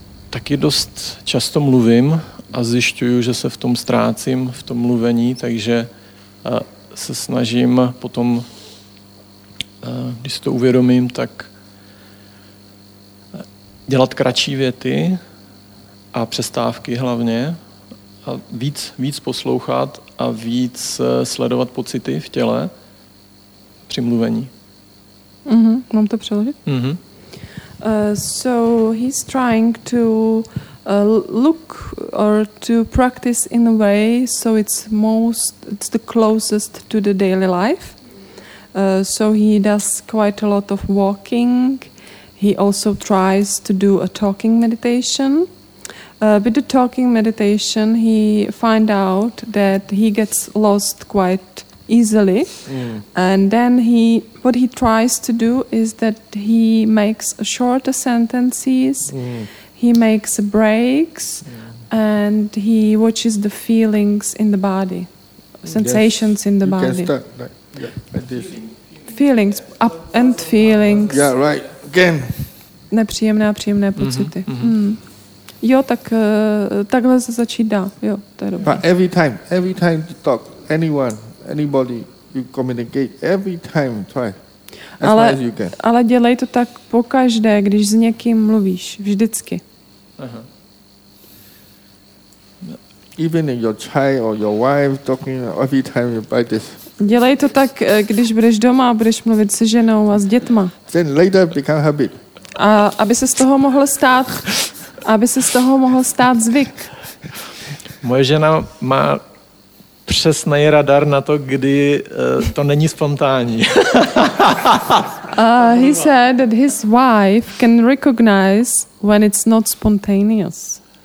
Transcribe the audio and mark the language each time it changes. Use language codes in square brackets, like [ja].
[cs] Taky dost často mluvím a zjišťuju, že se v tom ztrácím, v tom mluvení, takže se snažím potom když si to uvědomím, tak dělat kratší věty a přestávky hlavně a víc poslouchat a víc sledovat pocity v těle při mluvení. Mm-hmm. Mám to přeložit? Mm-hmm. [en] So he's trying to look or to practice in a way so it's the closest to the daily life. So he does quite a lot of walking. He also tries to do a talking meditation. With the talking meditation, he find out that he gets lost quite easily. Mm. And then what he tries to do is that he makes shorter sentences. Mm. He makes breaks and he watches the feelings in the body, sensations in the body. Feelings, up and feelings. Yeah, right. Again. [cs] Nepříjemné a příjemné pocity. Mm-hmm. Mm. Jo, tak takhle se začít dá. Jo, to je dobré. [en] But every time you talk, anybody, you communicate, every time, try. As you can. [cs] Ale dělej to tak pokaždé, když s někým mluvíš, vždycky. Aha. [en] Even your child or your wife talking every time you buy this. [cs] Dělej to tak, když budeš doma a budeš mluvit se ženou a s dětma. [en] Then later become habit. [cs] A aby se z toho mohlo stát, aby se z toho mohlo stát zvyk. Moje žena má přesný radar na to, kdy to není spontánní. [en] He said that his wife can recognize when it's not spontaneous.